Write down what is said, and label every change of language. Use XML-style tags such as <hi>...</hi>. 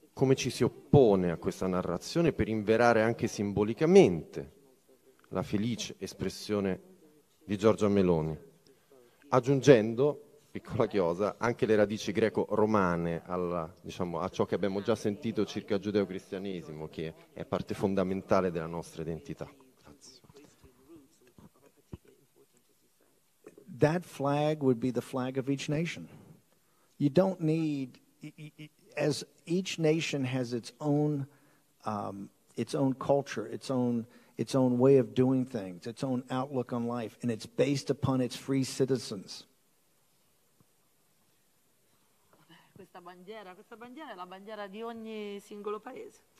<it>Come ci si oppone a questa narrazione per inverare anche simbolicamente la felice espressione di Giorgia Meloni, aggiungendo, piccola chiosa, anche le radici greco-romane a ciò che abbiamo già sentito circa il giudeo-cristianesimo, che è parte fondamentale della nostra identità.</it> <en>That flag would be the flag of each nation. You don't need, as each nation has its own culture, its own way of doing things, its own outlook on life, and it's based upon its free citizens.</en> <it>Questa bandiera è la bandiera di ogni singolo paese.</it>